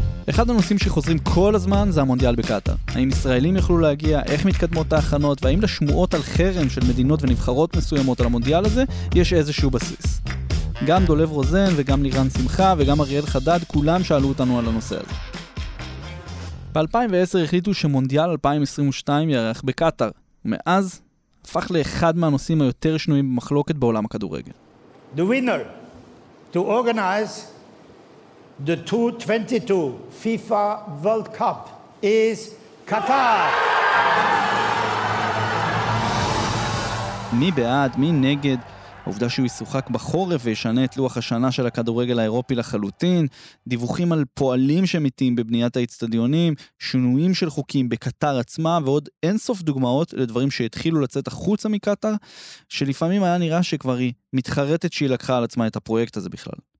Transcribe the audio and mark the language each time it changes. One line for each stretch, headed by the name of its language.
Hebrew: אחד הנושאים שחוזרים כל הזמן זה המונדיאל בקטר. האם ישראלים יכלו להגיע, איך מתקדמות ההכנות, והאם לשמועות על חרם של מדינות ונבחרות מסוימות על המונדיאל הזה, יש איזשהו בסיס. גם דולב רוזן וגם לירן שמחה וגם אריאל חדד, כולם שאלו אותנו על הנושא הזה. ב-2010 החליטו שמונדיאל 2022 יערך בקטר, ומאז הפך לאחד מהנושאים היותר שנויים במחלוקת בעולם הכדורגל.
English: The winner to organize the 2022 FIFA World Cup is Qatar.
Hebrew: מי בעד, מי נגד? העובדה שהוא ישוחק בחורף וישנה את לוח השנה של הכדורגל האירופי לחלוטין, דיווחים על פועלים שמתים בבניית האצטדיונים, שינויים של חוקים בקטר עצמה, ועוד אינסוף דוגמאות לדברים שהתחילו לצאת החוצה מקטר, שלפעמים היה נראה שכבר היא מתחרטת שהיא לקחה על עצמה את הפרויקט הזה בכלל.